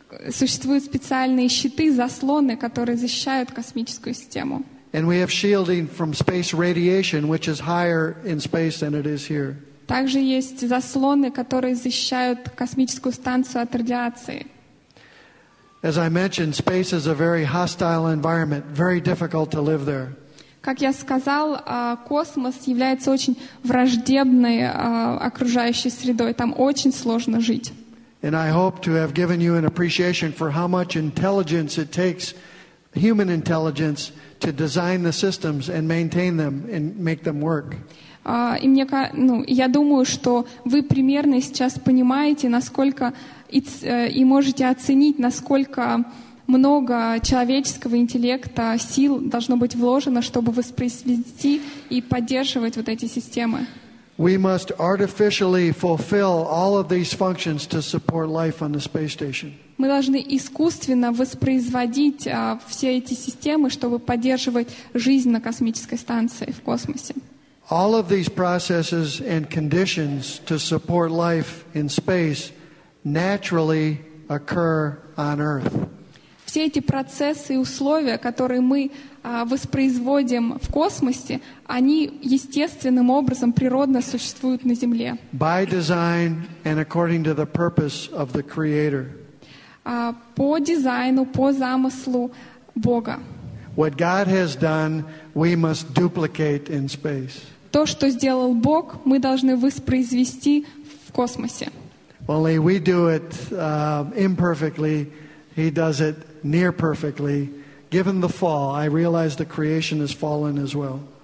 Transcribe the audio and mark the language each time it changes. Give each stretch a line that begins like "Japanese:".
Russian: Существуют специальные щиты, заслоны, которые защищают космическую систему.
English: And we have shielding from space radiation, which is higher in space than it is here.
Russian: Также есть заслоны, которые защищают космическую станцию от радиации.
English: As I mentioned, space is a very hostile environment, very difficult to live there.
Russian: Как я сказал, космос является очень враждебной окружающей средой. Там очень сложно жить.
English: And I hope to have given you an appreciation for how much intelligence it takes, human intelligence, to design the systems and maintain them and make them work.
Russian: И мне, ну, я думаю, что вы примерно сейчас понимаете, насколько и можете оценить, насколько много человеческого интеллекта, сил должно быть вложено, чтобы воспроизвести и поддерживать вот эти системы.
English: We must artificially fulfill all of these functions to support life on the space station.
Russian: Мы должны искусственно воспроизводить все эти системы, чтобы поддерживать жизнь на космической станции в космосе.
English: All of these processes and conditions to support life in space naturally occur on Earth.
Russian: Все эти процессы и условия, которые мы воспроизводим в космосе, они естественным образом природно существуют на Земле.
English: By design and according to the purpose of the Creator.
Russian: По дизайну, по замыслу Бога.
English: What God has done, we must duplicate in space.
Russian: То, что сделал Бог, мы должны воспроизвести в космосе.
English: Only we do it imperfectly, He does it near perfectly. Given the fall, I realize the creation has fallen as well.